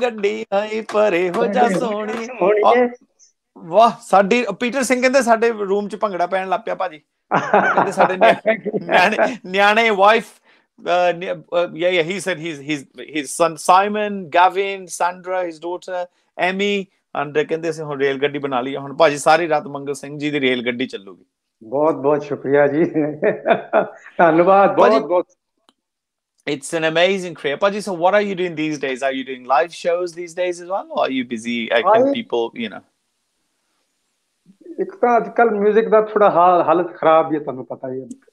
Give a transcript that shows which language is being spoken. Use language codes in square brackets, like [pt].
[pa] ਗੱਡੀ ਆਈ ਪਰੇ ਹੋ ਜਾ ਸੋਹਣੀਏ ਵਾਹ ਸਾਡੀ ਪੀਟਰ ਸਿੰਘ ਕਹਿੰਦੇ ਸਾਡੇ ਰੂਮ ਚ ਭੰਗੜਾ ਪੈਣ ਲੱਗ ਪਿਆ ਭਾਜੀ ਕਹਿੰਦੇ ਸਾਡੇ ਨਿਆਣੇ ਵਾਈਫ [en] yeah he said his son [pa] Simon ਗਾਵਿਨ Sandra his daughter Ammy and ਕਹਿੰਦੇ ਅਸੀਂ ਹੁਣ ਰੇਲ ਗੱਡੀ ਬਣਾ ਲਈ ਹੁਣ ਭਾਜੀ ਸਾਰੀ ਰਾਤ ਮੰਗਲ ਸਿੰਘ ਜੀ ਦੀ ਰੇਲ ਗੱਡੀ ਚੱਲੂਗੀ ਬਹੁਤ ਬਹੁਤ ਸ਼ੁਕਰੀਆ ਜੀ ਧੰਨਵਾਦ ਬਹੁਤ ਬਹੁਤ [en] It's an amazing career. Paji, so what are you doing these days? Are you doing live shows these days as well? Or are you busy? Can people, you know? [pa] ਇੱਕ ਤਾਂ ਅੱਜ ਕੱਲ ਮਿਊਜ਼ਿਕ ਦਾ ਥੋੜਾ ਹਾਲਤ ਖਰਾਬ ਹੀ ਹੈ ਤੁਹਾਨੂੰ ਪਤਾ ਹੀ ਹੈ